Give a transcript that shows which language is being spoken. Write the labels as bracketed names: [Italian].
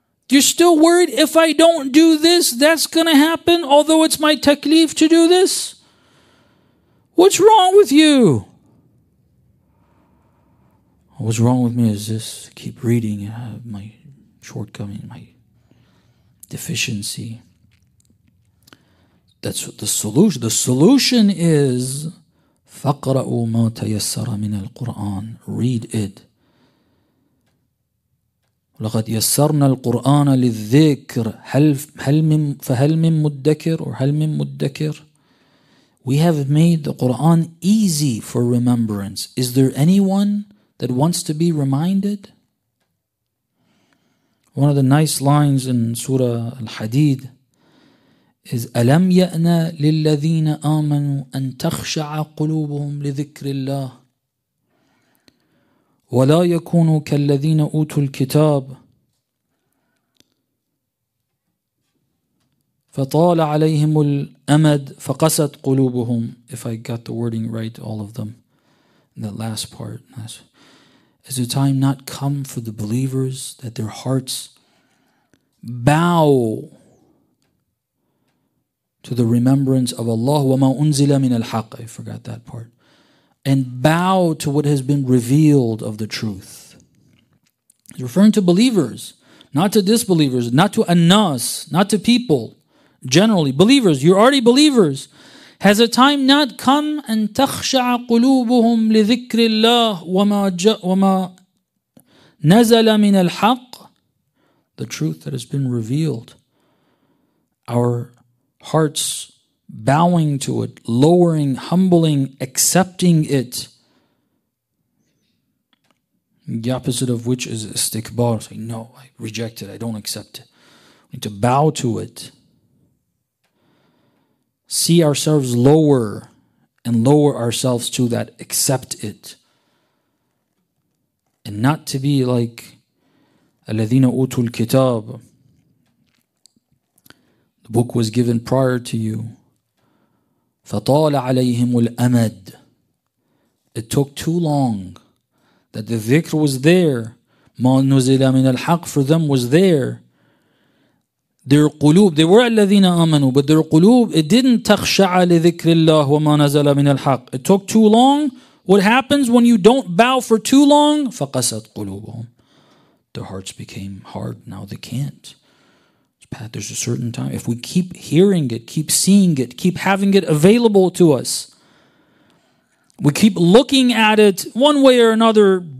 [English] You're still worried, if I don't do this, that's going to happen, although it's my taklif to do this? What's wrong with you? What's wrong with me is this. Keep reading, I have my shortcoming, my deficiency. That's the solution. The solution is [Arabic] فَقْرَأُوا مَا تَيَسَّرَ مِنَ الْقُرْآنِ. [English] Read it. [Arabic] لَقَدْ يَسَّرْنَا الْقُرْآنَ لِلذِّكْرِ هَلْ مِن مُدَّكِرٍ. [English] We have made the Qur'an easy for remembrance. Is there anyone that wants to be reminded? One of the nice lines in Surah Al-Hadid is [Arabic] أَلَمْ يَأْنَ لِلَّذِينَ آمَنُوا أَن تَخْشَعَ قُلُوبُهُمْ لِذِكْرِ اللَّهِ وَلَا يَكُونُوا كَالَّذِينَ أُوتُوا الْكِتَابِ فَطَالَ عَلَيْهِمُ الْأَمَدِ فَقَسَتْ قُلُوبُهُمْ. [English] If I got the wording right, all of them, in the last part. Has the time not come for the believers that their hearts bow to the remembrance of Allah, [Arabic] وَمَا أُنزِلَ مِنَ الْحَقِّ, [English] I forgot that part, and bow to what has been revealed of the truth. He's referring to believers, not to disbelievers, not to annas, not to people, generally. Believers, you're already believers. Has a time not come, [Arabic] أَن تَخْشَعَ قُلُوبُهُمْ لِذِكْرِ اللَّهِ وَمَا نَزَلَ مِنَ الْحَقِّ, [English] the truth that has been revealed. Our hearts bowing to it, lowering, humbling, accepting it. The opposite of which is istikbar. Say, no, I reject it. I don't accept it. We need to bow to it. See ourselves lower and lower ourselves to that, accept it. And not to be like [Arabic] الَّذِينَ أُوتُوا الْكِتَابِ. [English] The book was given prior to you. [Arabic] فَطَالَ عَلَيْهِمُ الْأَمَدِ. [English] It took too long. That the dhikr was there. [Arabic] مَا نُزِلَ مِنَ الْحَقِّ [English] for them was there. [Arabic] Their قُلُوب, [English] they were [Arabic] الَّذِينَ آمَنُوا, [English] but their [Arabic] قُلُوب, [English] it didn't [Arabic] تَخْشَعَ لِذِكْرِ اللَّهِ وَمَا نَزَلَ مِنَ الْحَقِّ. [English] It took too long. What happens when you don't bow for too long? [Arabic] فَقَسَتْ قُلُوبُهُمْ. [English] Their hearts became hard. Now they can't. There's a certain time. If we keep hearing it, keep seeing it, keep having it available to us, we keep looking at it one way or another.